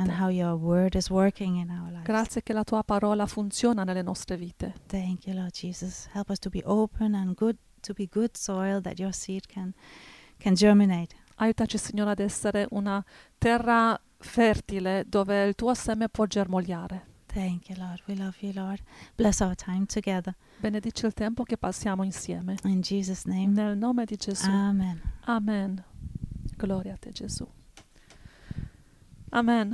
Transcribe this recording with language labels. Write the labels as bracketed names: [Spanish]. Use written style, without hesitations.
[English] And how your word is working in our lives. [Italian] Grazie che la tua parola funziona nelle nostre vite. [English] Thank you, Lord Jesus. Help us to be open and good, to be good soil that your seed can germinate. [Italian] Aiutaci, Signore, ad essere una terra fertile dove il tuo seme può germogliare. [English] Thank you, Lord. We love you, Lord. Bless our time together. [Italian] Benedici il tempo che passiamo insieme. [English] In Jesus' name. [Italian] Nel nome di Gesù. [English] Amen. [Italian] Amen. Gloria a te, Gesù. Amen.